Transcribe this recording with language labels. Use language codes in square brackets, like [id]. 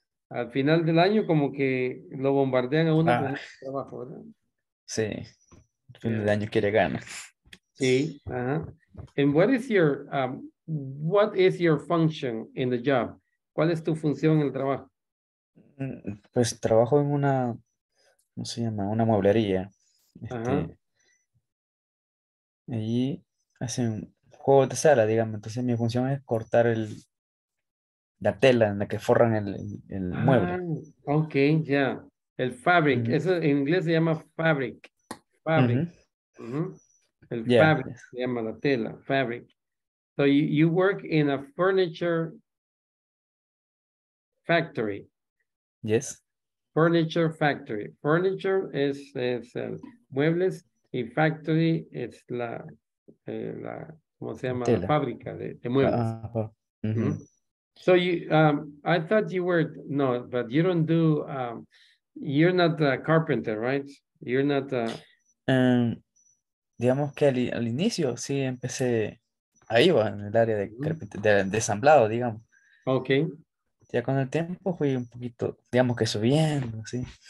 [es] Al final del año como que lo bombardean a uno con trabajo, ¿verdad? Sí. Fin de año quiere ganas. Sí. Uh-huh. [en] And what is your function in the job? [es] ¿Cuál es tu función en el trabajo? Pues trabajo en una, ¿cómo se llama? Una mueblería. Uh-huh. Allí hacen juegos de sala, digamos. Entonces mi función es cortar la tela en la que forran el mueble. Ok, ya. Yeah. El fabric. Uh-huh. Eso en inglés se llama fabric. Fabric. Uh-huh. Mm-hmm. El yeah. [en] Fabric [es] se llama la tela, [en] fabric. So you work in a furniture factory. Yes. Furniture factory. [es] Furniture es muebles y factory es la ¿cómo se llama? Tela. La fábrica de muebles. Mm-hmm. [en] So you, I thought you were, no, but you don't do, you're not a carpenter, right? You're not a... [es] digamos que al inicio, sí, empecé ahí, va, en el área de carpintería, de ensamblado, digamos. [en] Ok. [es] Ya con el tiempo fui un poquito, digamos que subiendo, sí.